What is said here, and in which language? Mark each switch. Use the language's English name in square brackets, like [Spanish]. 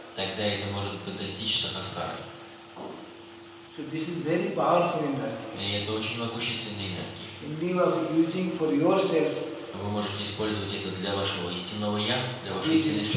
[Russian] Тогда это может достичь сахасрары. [English] So this is very powerful energy. [Russian] И это очень могущественная энергия. [English] Indeed, you are using for yourself. [Russian] Вы можете использовать это для вашего истинного я, для вашей истинной